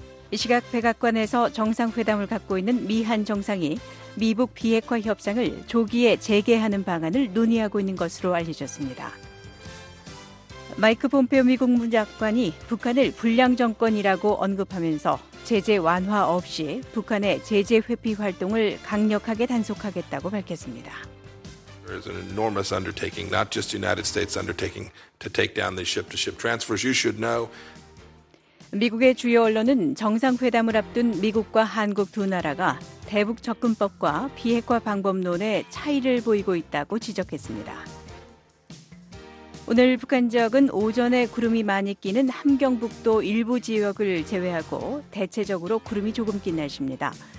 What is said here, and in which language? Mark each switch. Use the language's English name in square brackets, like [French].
[Korean] 이 시각 백악관에서 정상회담을 갖고 있는 미한 정상이 미북 비핵화 협상을 조기에 재개하는 방안을 논의하고 있는 것으로 알려졌습니다. 마이크 폼페오 미 국무장관이 북한을 불량 정권이라고 언급하면서 제재 완화 없이 북한의 제재 회피 활동을 강력하게 단속하겠다고 밝혔습니다. [English] There is an enormous undertaking, not just United States undertaking to take down the ship-to-ship transfers. You should know. [Korean] 미국의 주요 언론은 정상회담을 앞둔 미국과 한국 두 나라가 대북 접근법과 비핵화 방법론의 차이를 보이고 있다고 지적했습니다. 오늘 북한 지역은 오전에 구름이 많이 끼는 함경북도 일부 지역을 제외하고 대체적으로 구름이 조금 낀 날씨입니다.